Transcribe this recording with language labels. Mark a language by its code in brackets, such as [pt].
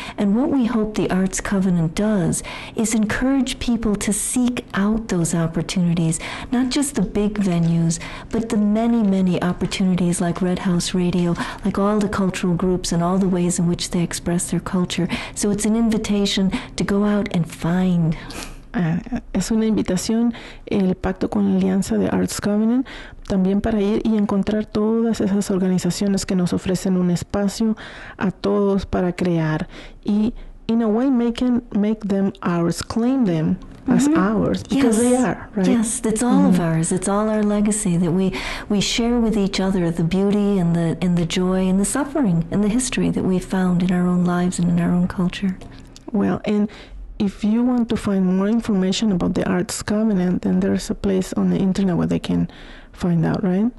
[en] And what we hope the Arts Covenant does is encourage people to seek out those opportunities, not just the big venues, but the many, many opportunities like Red House Radio, like all the cultural groups and all the ways in which they express their culture. So it's an invitation to go out and find. [es] Es una invitación el pacto con la Alianza de Arts Covenant también para ir y encontrar todas esas organizaciones que nos ofrecen un espacio a todos para crear y [en] in a way make them ours, claim them as ours, because they are, right? Yes, it's all of ours. It's all our legacy that we share with each other, the beauty and the joy and the suffering and the history that we've found in our own lives and in our own culture. Well, and if you want to find more information about the Arts Covenant, then there's a place on the internet where they can find out, right?